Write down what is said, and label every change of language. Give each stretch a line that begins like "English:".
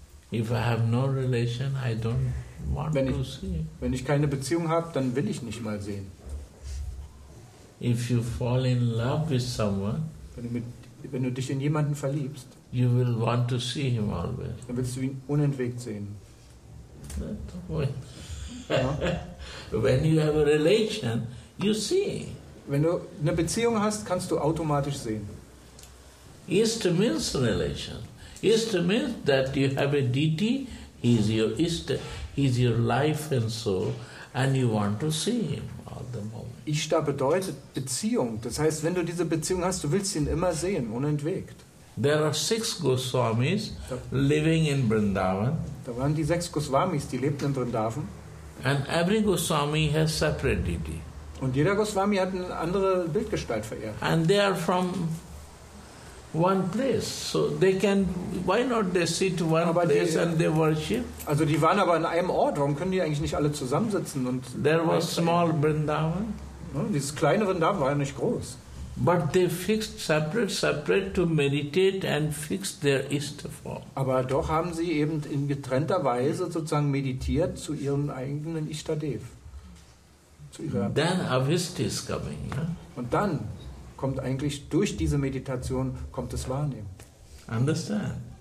English: If I have no relation, I don't want to see.
German: Wenn ich keine Beziehung habe, dann will ich nicht mal sehen.
English: If you fall in love with someone,
German: wenn du dich in jemanden verliebst,
English: you will want to see him always.
German: Dann willst du ihn unentwegt sehen.
English: When you have a relation, you see.
German: Wenn du eine Beziehung hast, kannst du automatisch sehen.
English: Ist means relation. Ist means that you have a deity, he is your life and soul, and you want to see him at the moment.
German: Ishta bedeutet Beziehung. Das heißt, wenn du diese Beziehung hast, du willst ihn immer sehen, unentwegt.
English: There are six Goswamis living in Vrindavan.
German: Da waren die sechs Goswamis, die lebten in Vrindavan.
English: And every Goswami has separate deity.
German: Und jeder Goswami hat eine andere Bildgestalt verehrt.
English: And they are from one place, so they can. Why not they sit one place and they worship?
German: Also, die waren aber in einem Ort. Warum können die eigentlich nicht alle zusammensitzen und?
English: There was small Vrindavan.
German: Dieses kleine Vrindavan war ja nicht groß.
English: But they fixed separate to meditate and fix their Ishta form.
German: Aber doch haben sie eben in getrennter Weise sozusagen meditiert zu ihrem eigenen Ishta Dev.
English: Then Avista is coming. Yeah?
German: Und dann kommt eigentlich durch diese Meditation kommt das Wahrnehmen.
English: Understand?